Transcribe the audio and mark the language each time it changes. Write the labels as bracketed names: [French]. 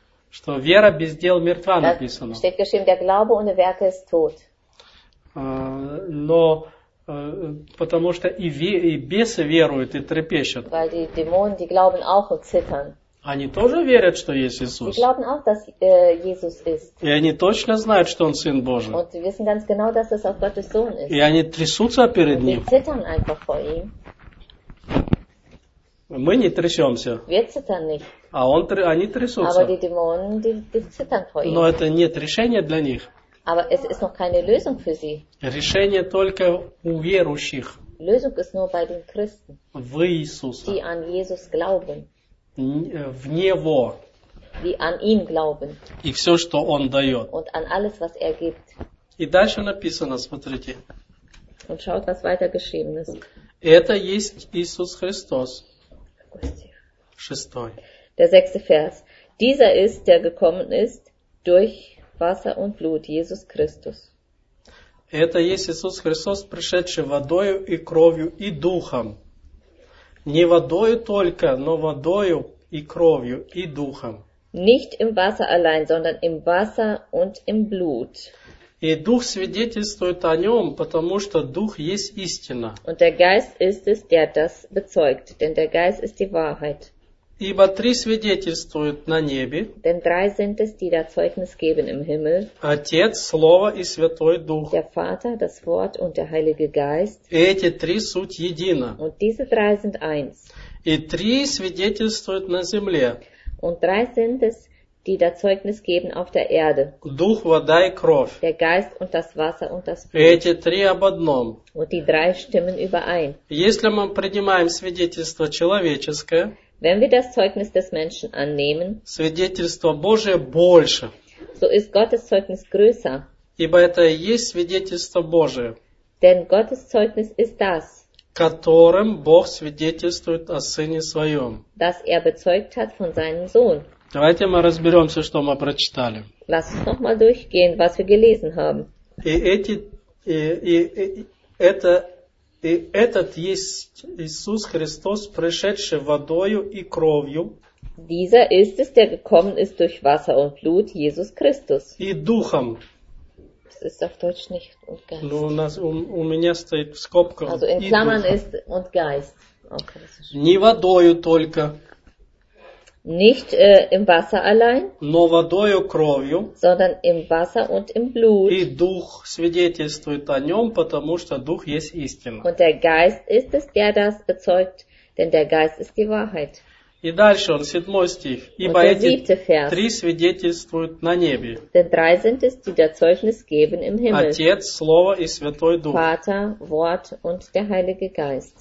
[Russian] Что вера без дел мертва написано. [German] Steht geschrieben, der Glaube ohne Werke ist tot. [Russian] Но потому что и бесы веруют и трепещут. [German] Weil die Dämonen, die glauben auch und zittern. [Russian] Они тоже верят, что есть Иисус. [German] Sie glauben auch, dass Jesus ist. [Russian] И они точно знают, что Он Сын Божий. [German] Und wissen ganz genau, dass es auch Gottes Sohn ist. [Russian] И они трясутся перед [German] Und [Russian] Ним. [German] Sie zittern einfach vor ihm. [Russian] Мы не трясемся. [German] Wir zittern nicht. [Russian] А он, они трясутся. [German] Aber die Dämonen, die zittern vor ihm. [Russian] Но это нет решения для них. [German] Aber es ist noch keine Lösung für sie. [Russian] Решение только у верующих. [German] Lösung ist nur bei den Christen. [Russian] В Иисуса. [German] Die an Jesus glauben. [Russian] В Него. [German] Wie an ihn glauben. [Russian] И все, что Он дает. [German] Und an alles, was er gibt. [Russian] И дальше написано, смотрите. [German] Und schaut, was weiter geschrieben ist. [Russian] Это есть Иисус Христос. Шестой. [German] Der sechste Vers. Dieser ist, der gekommen ist, durch Wasser und Blut, Jesus Christus. [Russian] Это есть Иисус Христос, пришедший водою и кровью и духом. Не водою только, но водою и кровью и духом. [German] Nicht im Wasser allein, sondern im Wasser und im Blut. [Russian] И дух свидетельствует о нем, потому что дух есть истина. [German] Und der Geist ist es, der das bezeugt, denn der Geist ist die Wahrheit. [Russian] Ибо три свидетельствуют на небе. [German] Denn drei sind es, die da Zeugnis geben im Himmel. [Russian] Отец, Слово и Святой Дух. [German] Der Vater, das Wort und der Heilige Geist. [Russian] И эти три суть едина. [German] Und diese drei sind eins. [Russian] И три свидетельствуют на земле. [German] Und drei sind es, die da Zeugnis geben auf der Erde. [Russian] Дух, вода и кровь. [German] Der Geist und das Wasser und das Blut. [Russian] Эти три об одном. [German] Und die drei stimmen überein. [Russian] Если мы принимаем свидетельство человеческое, [German] Wenn wir das Zeugnis des Menschen annehmen, [Russian] свидетельство Божие больше. [German] So ist Gottes Zeugnis größer. [Russian] Ибо это и есть свидетельство Божие. [German] Denn Gottes Zeugnis ist das, [Russian] которым Бог свидетельствует о Сыне Своем. [German] Das er bezeugt hat von seinem Sohn. [Russian] Давайте мы разберемся, что мы прочитали. [German] Lass uns nochmal durchgehen, was wir gelesen haben. [Russian] И этот есть Иисус Христос, пришедший водою и кровью. [German] Dieser ist es, der gekommen ist durch Wasser und Blut, Jesus Christus. [Russian] И духом. [German] Das ist auf Deutsch nicht und Geist. [Russian] Ну, у меня стоит в скобках. [German] Also in Klammern ist und Geist. Okay, [Russian] не водою только. [German] Nicht im Wasser allein. [Russian] Но водою кровью. [German] Sondern im Wasser und im Blut. [Russian] И дух свидетельствует о нем, потому что дух есть истина. [German] Und der Geist ist es, der das bezeugt, denn der Geist ist die Wahrheit. [Russian] И дальше он, седьмой стих. Ибо [German] und der siebte Vers. [Russian] Три свидетельствуют на небе. [German] Denn drei sind es, die das Zeugnis geben im Himmel. [Russian] Отец, Слово и Святой Дух. [German] Vater, Wort und der Heilige Geist.